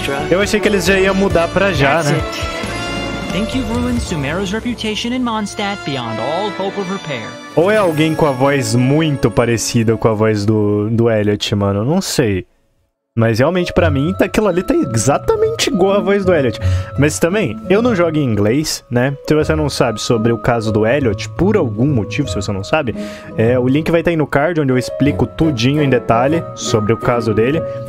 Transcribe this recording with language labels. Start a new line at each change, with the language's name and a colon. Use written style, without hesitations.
Portuguese: Eu achei que eles já iam mudar pra já, né?
English: Think you've ruined Sumeru's reputation in Mondstadt beyond all hope of repair.
Portuguese: Ou é alguém com a voz muito parecida com a voz do Elliot, mano, não sei. Mas realmente pra mim, tá, aquilo ali tá exatamente igual a voz do Elliot. Mas também, eu não jogo em inglês, né? Se você não sabe sobre o caso do Elliot, por algum motivo, se você não sabe, o link vai estar aí no card, onde eu explico tudinho em detalhe sobre o caso dele.